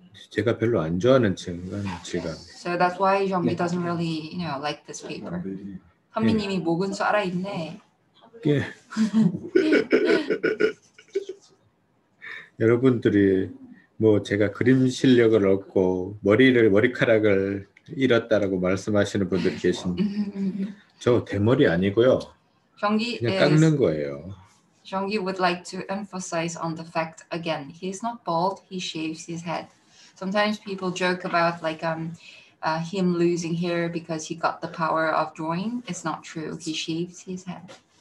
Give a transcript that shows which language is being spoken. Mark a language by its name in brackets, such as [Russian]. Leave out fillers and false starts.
[Korean] 제가 별로 안 좋아하는 책은 제가. [English] So that's why Jeonggi doesn't really, you know, like this paper. [Korean] 현미님이 목은 쏴라 있네. 예. 여러분들이 뭐 제가 그림 실력을 얻고 머리카락을 잃었다라고 말씀하시는 분들 계신. 저 대머리 아니고요. 정기 그냥 깎는 거예요. [English] Jeonggi would like to emphasize on the fact again. He's not bald. He shaves his head. Sometimes people joke about like him losing hair because he got the power of drawing. It's not true. He shaves his head.